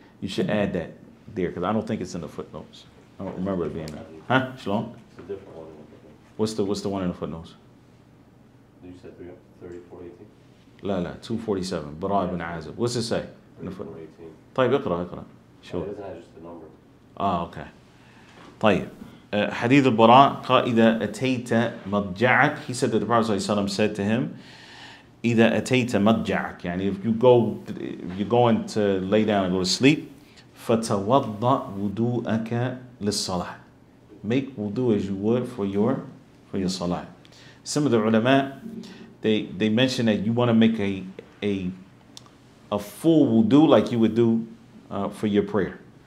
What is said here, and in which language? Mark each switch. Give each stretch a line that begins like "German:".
English: You should add that there, because I don't think it's in the footnotes. I don't remember it being there. Huh? Shalom? It's a different one. What's the one in the footnotes? You said 3418? La, 247, Bara bin Azib. What's it say in the footnotes? 3418. Taib, iqra. Sure. It doesn't have just the number. Ah, okay.
Arabic: طيب. Hadith al-Bara, إِذَا أَتَيْتَ مَضْجَعَكَ.
English: He said that the Prophet ﷺ said to him,
Arabic: إِذَا أَتَيْتَ مَضْجَعَكَ.
English: Yani if you're going to lay down and go to sleep,
Arabic: فَتَوَضَّ وُدُوءَكَ لِلصَّلَاةِ.
English: Make wudu as you would for your salah. Some of the ulama, they mention that you want to make a full wudu like you would do for your prayer.